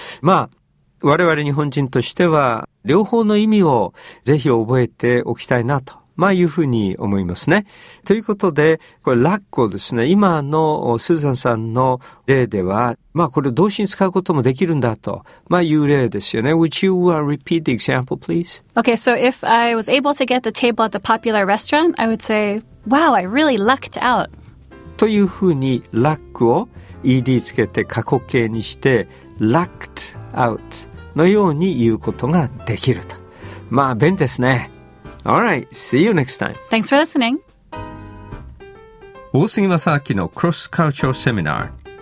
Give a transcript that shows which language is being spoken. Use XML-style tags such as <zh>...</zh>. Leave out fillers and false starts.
<ja>まあ我々日本人としては両方の意味をぜひ覚えておきたいなと。まあいうふうに思いますね。ということで、これ、ラックをですね、今のスーザンさんの例では、まあこれ動詞に使うこともできるんだと、まあいう例ですよね。</ja> <en>Would you repeat the example, please? Okay, so if I was able to get the table at the popular restaurant, I would say, wow, I really lucked out.</en> <ja>というふうに、ラックを ED つけて過去形にして、 locked out のように言うことができると。まあ便利ですね。</ja> <en>Alright, see you next time. Thanks for listening.</en> <ja>大杉正明のクロスカルチャーセミナー</ja>